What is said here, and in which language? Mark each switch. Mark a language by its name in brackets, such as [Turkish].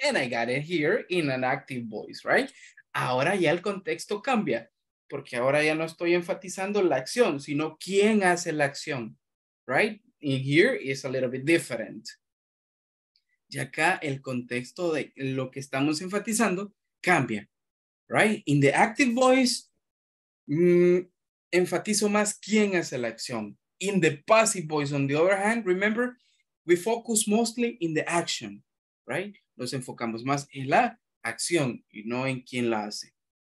[English] And I got it here in an active voice, right? [Spanish] Ahora ya el contexto cambia, porque ahora ya no estoy enfatizando la acción, sino quién hace la acción, right? [English] In here is a little bit different. [Spanish] Y acá el contexto de lo que estamos enfatizando cambia, right? [English] In the active voice, [Spanish] enfatizo más quién hace la acción. [English] In the passive voice, on the other hand, remember, we focus mostly in the action, right? [Spanish] Nos enfocamos más en la acción y no en quién la hace.